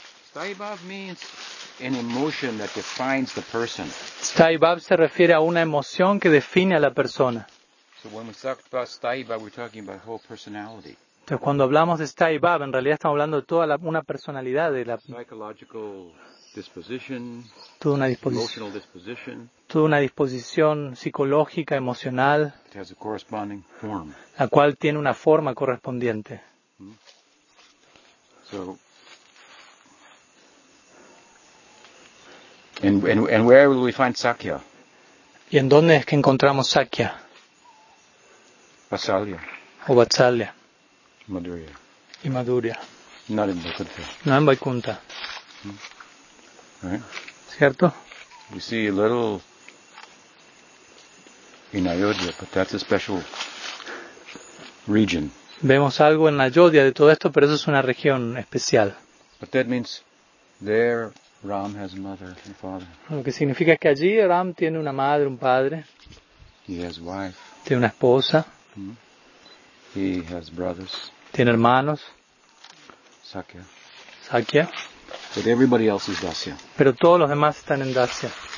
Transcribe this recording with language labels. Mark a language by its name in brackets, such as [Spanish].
[English] Stai Bhav means an emotion that defines the person. [Spanish] Stai Bhav se refiere a una emoción que define a la persona. [English] So when we talk about Stai Bhav, we're talking about whole personality. [Spanish] Entonces, cuando hablamos de Stai Bhav, en realidad estamos hablando de toda una personalidad, de la [English] psychological disposition, [Spanish] toda una disposición psicológica, emocional, [English] it has a corresponding form. [Spanish] La cual tiene una forma correspondiente. [English] So, and where will we find Sakya? [Spanish] ¿Y en dónde es que encontramos Sakya? [English] Vatsalya. [Spanish] O Vatsalya. [English] Madhurya. [Spanish] Y Madhurya. [English] Not in Vaikuntha. [Spanish] No en Vaikuntha. [English] Right? [Spanish] ¿Cierto? [English] We see a little in Ayodhya, but that's a special region. [Spanish] Vemos algo en Ayodhya de todo esto, pero eso es una región especial. [English] But that means there Ram has a mother and father. [Spanish] Lo que significa es que allí Ram tiene una madre, un padre. [English] He has wife. [Spanish] Tiene una esposa. [English] He has brothers. [Spanish] Tiene hermanos. [English] Sakya. [Spanish] Sakya. [English] But everybody else is Dasya. [Spanish] Pero todos los demás están en Dasya.